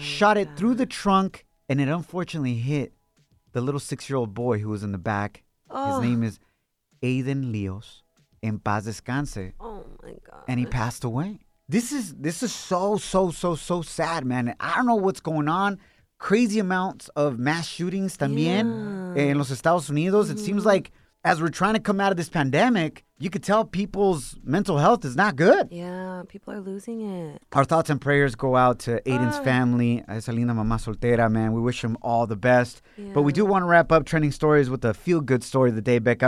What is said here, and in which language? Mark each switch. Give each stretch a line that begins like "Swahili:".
English: Shot it through the trunk, and it unfortunately hit the little six-year-old boy who was in the back. Oh. His name is Aiden Leos.
Spanish: En paz descanse.
English: Oh, my God. And he passed away. This is so sad, man. I don't know what's going on. Crazy amounts of mass shootings
Spanish: también en los Estados Unidos.
English: Mm-hmm. It seems like as we're trying to come out of this pandemic, you could tell people's mental health is not good. Yeah, people are losing it. Our thoughts and prayers go out to Aiden's family.
Spanish: Esa linda mamá soltera,
English: man. We wish him all the best. Yeah. But we do want to wrap up trending stories with a feel-good story of the day, Becca.